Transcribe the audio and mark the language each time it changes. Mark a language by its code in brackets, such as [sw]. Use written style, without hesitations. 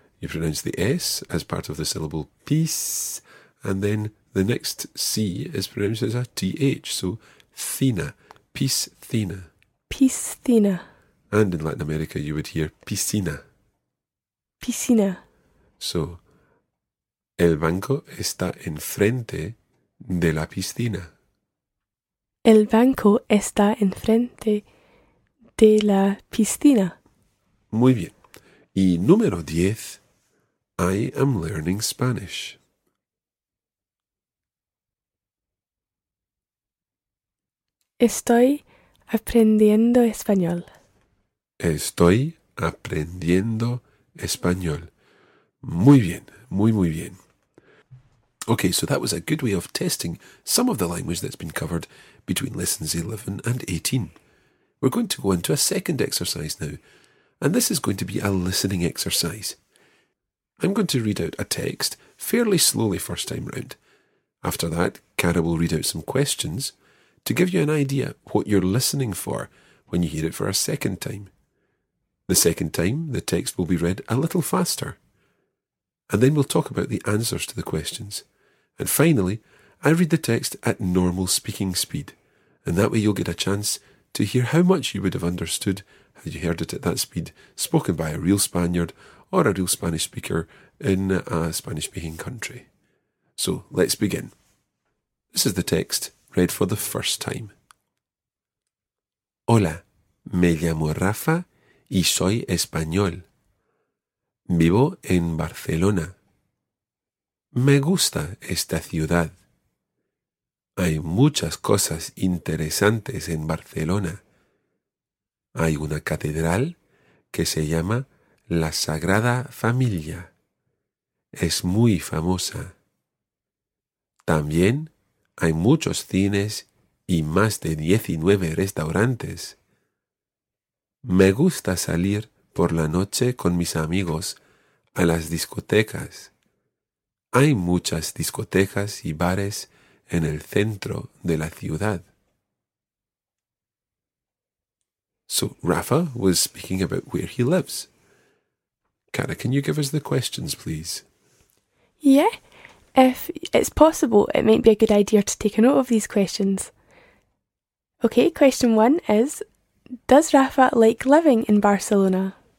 [en] You pronounce the S as part of the syllable pis, and then the next C is pronounced as a TH. [es] So, thina. Piscina. Piscina. [en] And in Latin America, you would hear piscina. [es] Piscina. So, el banco está enfrente de la piscina. El banco está enfrente de la piscina. Muy bien. Y número 10. [en] I am learning Spanish. [es] Estoy aprendiendo español. Estoy aprendiendo español. Muy bien, muy, muy bien. [en] Okay, so that was a good way of testing some of the language that's been covered between lessons 11 and 18. We're going to go on to a second exercise now, and this is going to be a listening exercise. I'm going to read out a text fairly slowly first time round. After that, Cara will read out some questions to give you an idea what you're listening for when you hear it for a second time. The second time, the text will be read a little faster. And then we'll talk about the answers to the questions. And finally, I read the text at normal speaking speed. And that way you'll get a chance to hear how much you would have understood had you heard it at that speed, spoken by a real Spaniard or a real Spanish speaker in a Spanish-speaking country. So, let's begin. This is the text read for the first time. [es] Hola, me llamo Rafa y soy español. Vivo en Barcelona. Me gusta esta ciudad. Hay muchas cosas interesantes en Barcelona. Hay una catedral que se llama la Sagrada Familia. Es muy famosa. También hay muchos cines y más de 19 restaurantes. Me gusta salir por la noche con mis amigos a las discotecas. Hay muchas discotecas y bares en el centro de la ciudad. [en] So, Rafa was speaking about where he lives. Cara, can you give us the questions, please? Yeah, if it's possible, it might be a good idea to take a note of these questions. Okay, question one is, does Rafa like living in Barcelona?